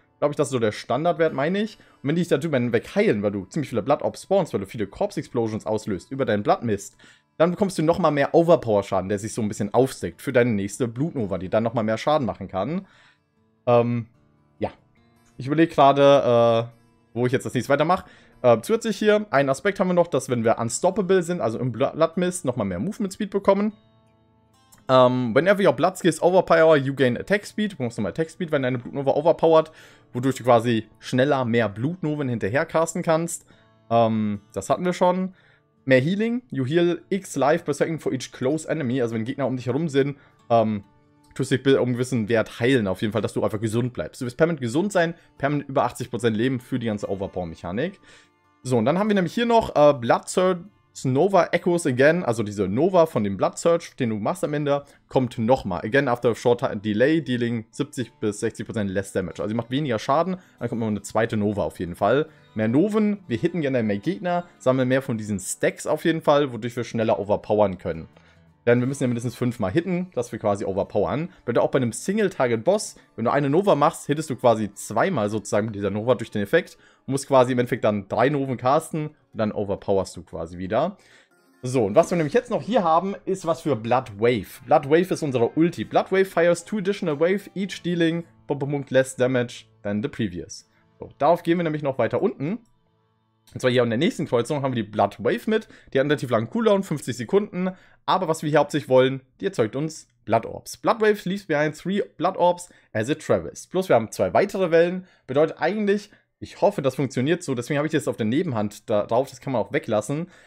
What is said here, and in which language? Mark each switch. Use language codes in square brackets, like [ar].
[de] Glaube ich, das ist so der Standardwert, meine ich. Und wenn die dich darüber hinweg heilen, weil du ziemlich viele Blood Orbs spawnst, weil du viele Corpse Explosions auslöst, über deinen Blood Mist, dann bekommst du nochmal mehr Overpower-Schaden, der sich so ein bisschen aufsteckt für deine nächste Blutnova, die dann nochmal mehr Schaden machen kann. Ja. Ich überlege gerade, wo ich jetzt das nächste weitermache. Zusätzlich hier, einen Aspekt haben wir noch, dass wenn wir unstoppable sind, also im Blood Mist, nochmal mehr Movement Speed bekommen. [en] Whenever your Blood Skills overpower, you gain Attack Speed. [de] Du bekommst nochmal Attack Speed, wenn deine Blutnova overpowert, wodurch du quasi schneller mehr Blutnoven hinterher casten kannst. Das hatten wir schon. Mehr Healing. [en] You heal X life per second for each close enemy. [de] Also wenn Gegner um dich herum sind, tust du dich um einen gewissen Wert heilen. Auf jeden Fall, dass du einfach gesund bleibst. Du wirst permanent gesund sein, permanent über 80% Leben für die ganze Overpower-Mechanik. So, und dann haben wir nämlich hier noch Blood Nova Echoes Again, also diese Nova von dem Blood Surge, den du machst am Ende, kommt nochmal. [en] Again after a short delay, dealing 70-60% less damage. [de] Also sie macht weniger Schaden, dann kommt noch eine zweite Nova auf jeden Fall. Mehr Noven, wir hitten gerne mehr Gegner, sammeln mehr von diesen Stacks auf jeden Fall, wodurch wir schneller overpowern können. Denn wir müssen ja mindestens 5-mal hitten, dass wir quasi overpowern. Bitte auch bei einem Single-Target-Boss, wenn du eine Nova machst, hittest du quasi 2-mal sozusagen mit dieser Nova durch den Effekt. Du musst quasi im Endeffekt dann 3 Noven casten und dann overpowerst du quasi wieder. So, und was wir nämlich jetzt noch hier haben, ist was für Blood Wave. Blood Wave ist unsere Ulti. [en] Blood Wave fires 2 additional wave, each dealing less damage than the previous. [de] So, darauf gehen wir nämlich noch weiter unten. Und zwar hier in der nächsten Kreuzung haben wir die Blood Wave mit. Die hat einen relativ langen Cooldown, 50 Sekunden. Aber was wir hier hauptsächlich wollen, die erzeugt uns Blood Orbs. [en] Blood Wave leaves behind 3 Blood Orbs as it travels. [de] Plus wir haben 2 weitere Wellen. Bedeutet eigentlich, ich hoffe, das funktioniert so. Deswegen habe ich das auf der Nebenhand da drauf. Das kann man auch weglassen.